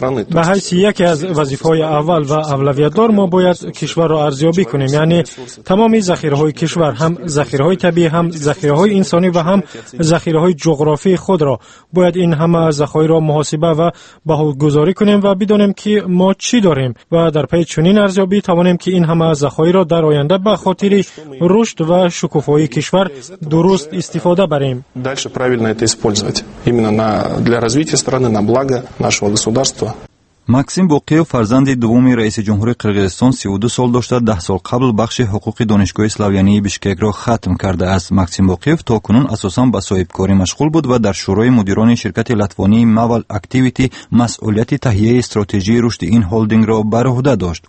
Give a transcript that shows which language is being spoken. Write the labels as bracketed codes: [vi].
[fa] به حیث یکی از وظیفه‌های اول و اولویت دار ما باید کشور را ارزیابی کنیم، یعنی تمام ذخیره‌های کشور، هم ذخیره‌های طبیعی، هم ذخیره‌های انسانی و هم ذخیره‌های جغرافی خود را باید این همه ذخایر را محاسبه و بهره‌گذاری کنیم و بدانیم که ما چی داریم و در پی چنین ارزیابی توانیم که این همه ذخایر را در آینده به خاطر رشد و شکوفایی کشور درست استفاده بریم. [ru] Дальше правильно это использовать именно на для развития страны, на благо нашего государства. [fa] مکسیم باقیوف فرزند دومی رئیس جمهوری قرقیزستان 32 سال داشته 10 سال قبل بخش حقوق دانشگاه اسلاویانی بیشکک را ختم کرده است. مکسیم باقیوف تا کنون اساساً با صاحب کاری مشغول بود و در شورای مدیران شرکت لاتوانی مول اکتیویتی مسئولیت تهیه استراتژی رشد این هلدینگ را بر عهده داشت.